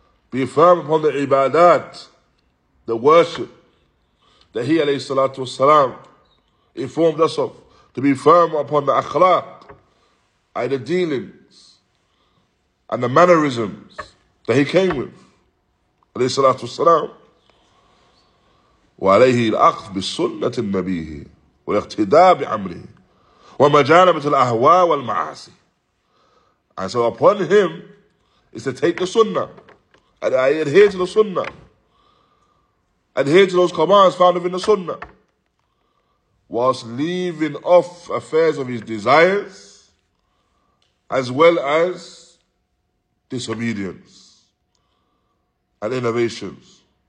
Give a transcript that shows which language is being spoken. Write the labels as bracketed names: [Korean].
[English] Be firm upon the ibadat, the worship that he alayhi salatu wasalam informed us of. To be firm upon the akhlaq, and the dealings and the mannerisms that he came with alayhi salatu wasalam. [Arabic] وعليه الأخذ بسنة النبي والاقتداء بأمره ومجانبة الأهواء والمعاصي. [English] And so upon him is to take the sunnah, and I adhere to the sunnah, adhere to those commands found within the sunnah, whilst leaving off affairs of his desires as well as disobedience and innovations,